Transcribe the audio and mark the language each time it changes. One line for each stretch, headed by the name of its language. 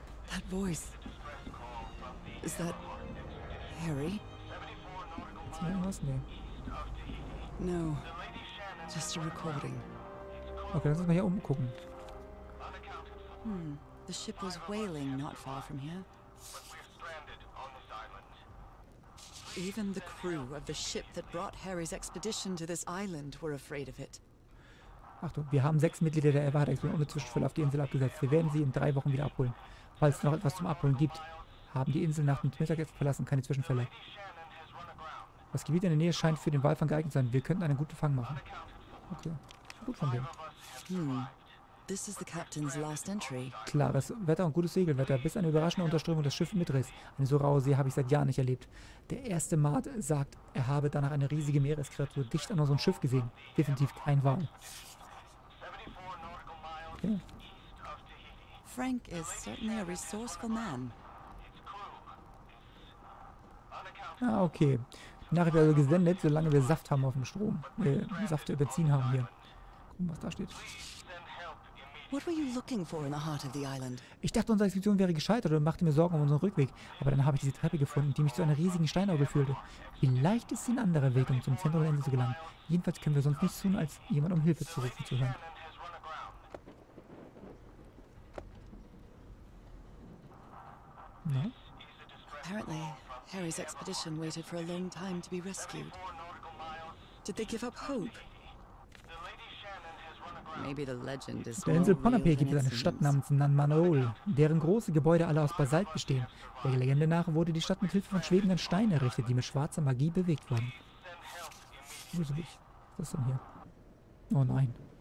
English: That voice. Is that Harry?
German: Ist mir irgendwas? Nee.
English: No. Just a recording.
German: Okay, lass uns mal hier oben gucken.
English: The ship was wailing not far from here. Even the crew of the ship that brought Harry's expedition to this island were afraid of it.
German: Achtung, wir haben 6 Mitglieder der Erwartungsmission ohne Zwischenfall auf die Insel abgesetzt. Wir werden sie in 3 Wochen wieder abholen. Falls es noch etwas zum Abholen gibt, haben die Insel nach dem Mittagessen verlassen. Keine Zwischenfälle. Das Gebiet in der Nähe scheint für den Walfang geeignet zu sein. Wir könnten einen guten Fang machen. Okay, gut von dir.
English: This is the captain's last entry.
German: Klares Wetter und gutes Segelwetter, bis eine überraschende Unterströmung das Schiff mitriss. Eine so raue See habe ich seit Jahren nicht erlebt. Der erste Mart sagt, er habe danach eine riesige Meereskreatur dicht an unserem Schiff gesehen. Definitiv kein Wahn. Okay.
English: Frank is certainly a resourceful man. Ah, okay.
German: Die Nachricht wird also gesendet, solange wir Saft haben auf dem Strom. Saft über Benzin haben hier. Gucken, was da steht.
English: What were you looking for in the heart of the island?
German: Ich dachte, unsere Expedition wäre gescheitert und machte mir Sorgen um unseren Rückweg. Aber dann habe ich diese Treppe gefunden, die mich zu einer riesigen Steinaugel führte. Vielleicht ist sie ein anderer Weg, um zum Zentrum der Insel zu gelangen. Jedenfalls können wir sonst nichts tun, als jemand um Hilfe zu rufen zu hören. Nein?
English: Apparently, Harry's expedition waited for a long time to be rescued. Did they give up hope?
German: Auf der Insel Ponape gibt es eine Stadt namens Nan Manol, deren große Gebäude alle aus Basalt bestehen. Der Legende nach wurde die Stadt mit Hilfe von schwebenden Steinen errichtet, die mit schwarzer Magie bewegt wurden. Was ist denn hier? Oh nein.